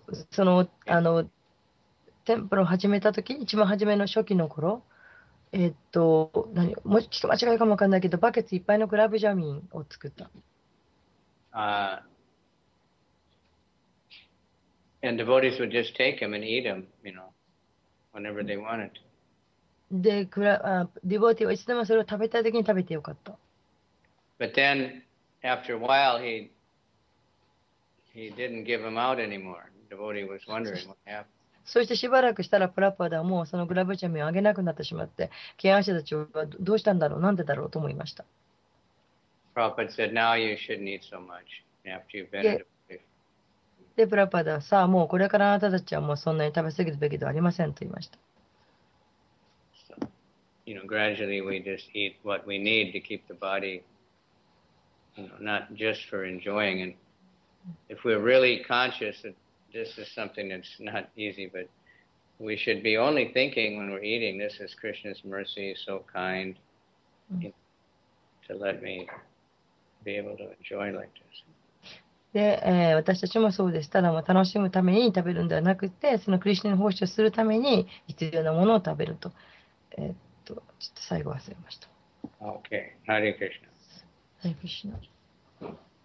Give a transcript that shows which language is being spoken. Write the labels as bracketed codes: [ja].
[ja] その、テンプルを始めたとき、一番初めの初期の頃、何、もうちょっと間違いかもわかんないけど、バケツいっぱいのグラブジャミンを作った。 [en] And devotees would just take them and eat them, you know, whenever they wanted. [ja] で、デボーティーはいつでもそれを食べたいときに食べてよかった。 [en] But then, after a while, he didn't give them out anymore. Devotee was wondering what happened. [ja] そしてしばらくしたらプラパダもそのグラブジャミンをあげなくなってしまって、ケアン者たちはどうしたんだろう、なんでだろうと思いました。 [en] プラパダ said, now you shouldn't eat so much after you've been [ja] で、プラパダはさあもうこれからあなたたちはもうそんなに食べ過ぎるべきではありませんと言いました。 [en] you know, gradually we just eat what we need to keep the body, you know, not just for enjoying. And if we're really conscious that this is something that's not easy, but we should be only thinking when we're eating, this is Krishna's mercy, so kind, you know, to let me be able to enjoy like this. [ja] で、私たちもそうです。ただ、楽しむために食べるんではなくて、そのクリシナに奉仕するために必要なものを食べると。ちょっと最後忘れました。 [en] OK。 Hare Krishna。 Hare Krishna。